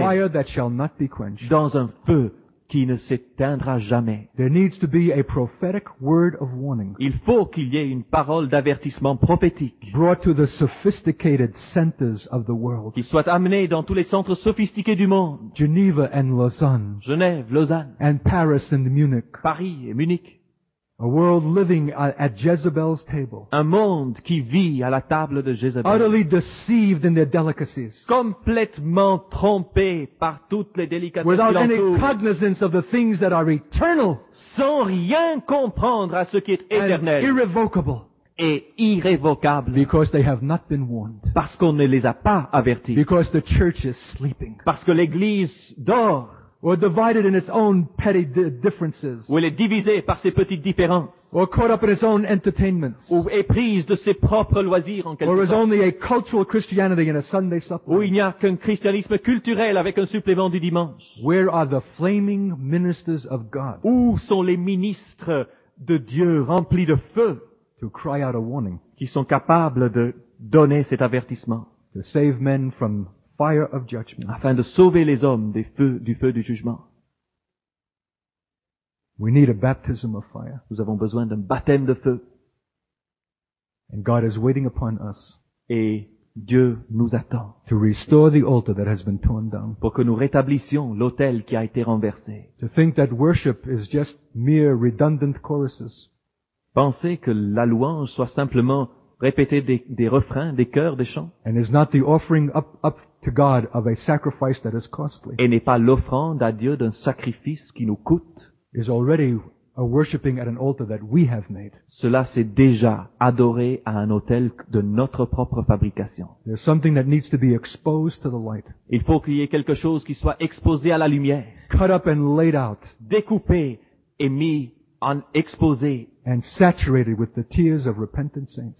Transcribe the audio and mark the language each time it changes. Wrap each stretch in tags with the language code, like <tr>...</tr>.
<en>In a fire that shall not be quenched.</en> <fr>Dans un feu qui ne s'éteindra jamais.</fr> <en>There needs to be a prophetic word of warning.</en> <fr>Il faut qu'il y ait une parole d'avertissement prophétique.</fr> <en>Brought to the sophisticated centers of the world.</en> <fr>Qui soit amenée dans tous les centres sophistiqués du monde.</fr> <en>Geneva and Lausanne.</en> <fr>Genève, Lausanne.</fr> <en>And Paris and Munich.</en> <fr>Paris et Munich.</fr> <en>A world living at Jezebel's table.</en> <fr>Un monde qui vit à la table de Jézabel.</fr> <en>Utterly deceived in their delicacies.</en> <fr>Complètement trompé par toutes les délicatesses.</fr> <en>Without any cognizance of the things that are eternal.</en> <fr>Sans rien comprendre à ce qui est éternel.</fr> <en>And irrevocable.</en> <fr>Et irrévocable.</fr> <en>Because they have not been warned.</en> <fr>Parce qu'on ne les a pas avertis.</fr> <en>Because the church is sleeping.</en> <fr>Parce que l'église dort.</fr> <en>Or divided in its own petty differences.</en> <fr>Ou elle est divisée par ses petites différences.</fr> <en>Or caught up in its own entertainments.</en> <fr>Ou éprise de ses propres loisirs en quelque sorte.</fr> <en>Or is only a cultural Christianity and a Sunday supplement.</en> <fr>Ou il n'y a qu'un christianisme culturel avec un supplément du dimanche.</fr> <en>Where are the flaming ministers of God?</en> <fr>Où sont les ministres de Dieu remplis de feu?</fr> <en>To cry out a warning.</en> <fr>Qui sont capables de donner cet avertissement.</fr> <en>To save men from fire of judgment.</en> <fr>Afin de sauver les hommes du feu du jugement.</fr> <en>We need a baptism of fire.</en> <fr>Nous avons besoin d'un baptême de feu.</fr> <en>And God is waiting upon us.</en> <fr>Et Dieu nous attend.</fr> <en>To restore the altar that has been torn down.</en> <fr>Pour que nous rétablissions l'autel qui a été renversé.</fr> <en>To think that worship is just mere redundant choruses.</en> <fr>penser que la louange soit simplement répéter des refrains, des chœurs, des chants.</fr> <en>And is not the offering up to God of a sacrifice that is costly.</en> <fr>Et n'est pas l'offrande à Dieu d'un sacrifice qui nous coûte.</fr> <en>Is already a worshiping at an altar that we have made.</en> <fr>Cela c'est déjà adorer à un autel de notre propre fabrication.</fr> <en>There's something that needs to be exposed to the light.</en> <fr>Il faut qu'il y ait quelque chose qui soit exposé à la lumière.</fr> <en>Cut up and laid out.</en> <fr>Découpé et mis en exposé.</fr> <en>And saturated with the tears of repentant saints.</en>